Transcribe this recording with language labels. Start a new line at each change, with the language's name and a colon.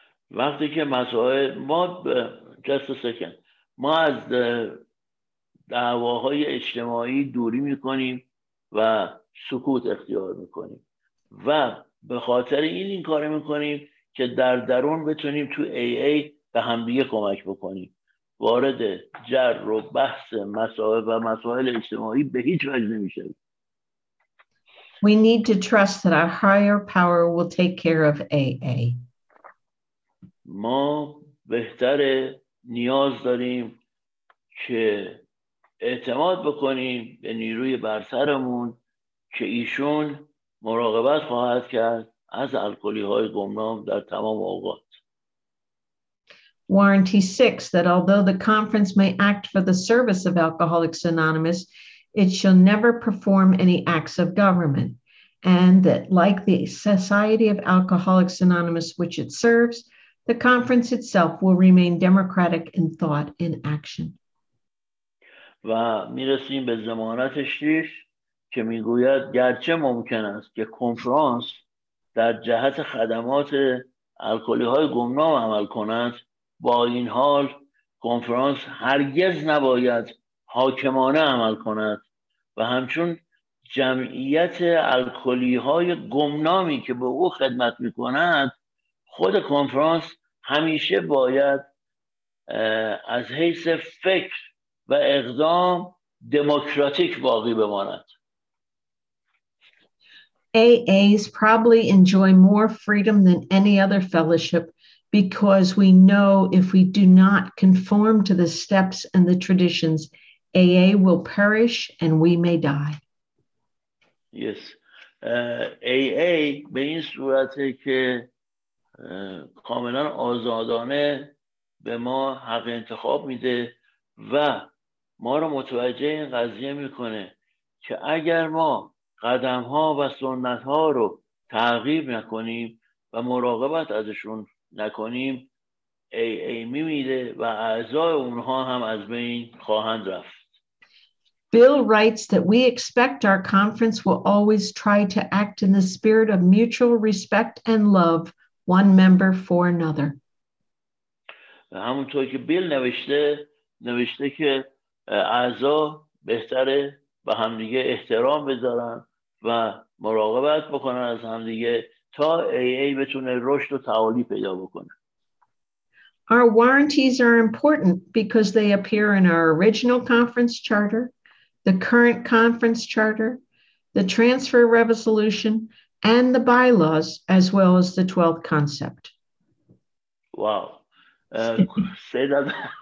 Persian: وقتی که مسائل ما
English: just a second
Persian: ما از دعواهای اجتماعی دوری میکنیم و سکوت اختیار میکنیم و به خاطر این کار میکنیم که در درون بتونیم تو AA به هم دیگه کمک بکنیم، وارد جر و بحث مسائل و مسائل اجتماعی به هیچ وجه نمیشیم.
English: We need to trust that our higher power will take care of AA.
Persian: ما بهتر نیاز داریم که اعتماد بکنیم به نیروی برترمون که ایشون مراقبت خواهد کرد از الکلی‌های گمنام در تمام اوقات.
English: Warranty 6, that although the conference may act for the service of Alcoholics Anonymous, it shall never perform any acts of government. And that like the Society of Alcoholics Anonymous, which it serves, the conference itself will remain democratic in thought and action.
Persian: و میرسیم به ضمانت 6 که میگوید گرچه ممکن است که کنفرانس در جهت خدمات الکلی های گمنام عمل کند، با این حال کنفرانس هرگز نباید حاکمانه عمل کند و همچون جمعیت الکلی های گمنامی که به او خدمت میکند، خود کنفرانس همیشه باید از حیث فکر و اقدام دموکراتیک باقی بماند.
English: AA's probably enjoy more freedom than any other fellowship because we know if we do not conform to the steps and the traditions, AA will perish and we may die. Yes.
Persian: AA به این صورته که کاملا آزادانه به ما حق انتخاب میده و ما رو متوجه این قضیه میکنه که اگر ما قدم ها و سنت ها رو تعقیب نکنیم و مراقبت ازشون نکنیم، AA میمیده و اعضای اونها هم از بین خواهند رفت.
English: Bill writes that we expect our conference will always try to act in the spirit of mutual respect and love, one member for another.
Persian: همونطور که بیل نوشته که اعضا بهتره به همدیگه احترام بذارن و مراقبت بکنن از هم دیگه تا AA بتونه رشد و تعالی پیدا بکنه.
English: Our warranties are important because they appear in our original conference charter, the current conference charter, the transfer resolution, and the bylaws, as well as the 12th concept. Wow. say that.